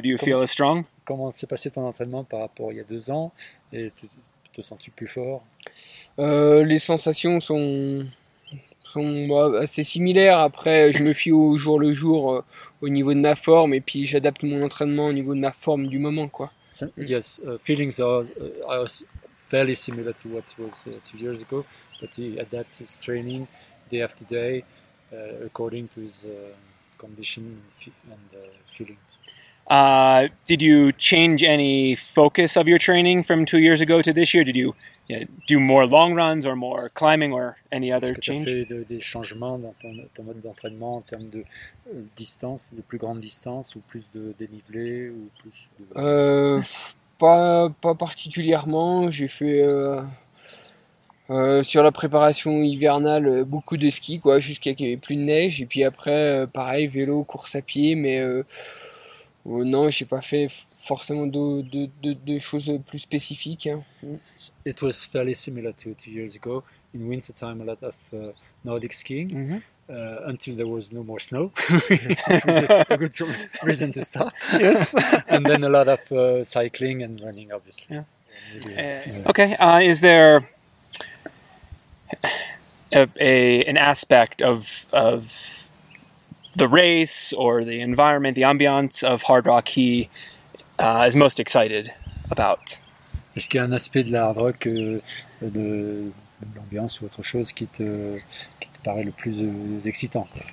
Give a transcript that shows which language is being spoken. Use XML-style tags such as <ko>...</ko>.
<en>Do you feel as strong?</en> <fr>Comment s'est passé ton entraînement par rapport à il y a 2 ans? Et te sens-tu plus fort? Les sensations sont assez similaires. Après, je me fie au jour le jour au niveau de ma forme et puis j'adapte mon entraînement au niveau de ma forme du moment, quoi.</fr> <en>Yes, feelings are fairly similar to what was 2 years ago, but he adapts his training day after day according to his condition and feeling. Did you change any focus of your training from 2 years ago to this year? Did you, do more long runs or more climbing or any other change?</en> <fr>Est-ce que tu as fait des changements dans ton mode d'entraînement en termes de distance, de plus grande distance ou plus de dénivelé ou plus de... pas particulièrement. J'ai fait sur la préparation hivernale beaucoup de ski, quoi, jusqu'à qu'il n'y avait plus de neige. Et puis après, pareil, vélo, course à pied, mais... non, j'ai pas fait forcément de choses plus spécifiques.</fr> <en>It was fairly similar to 2 years ago. In winter time, a lot of Nordic skiing until there was no more snow, which was a good reason to start. Yes, and then a lot of cycling and running, obviously. Yeah. Okay, is there an aspect of the race or the environment, the ambiance of Hard Rock he is most excited about?</en> <fr>Est-ce qu'il y a un aspect de la Hard Rock, de l'ambiance ou autre chose qui te paraît le plus excitant?</fr>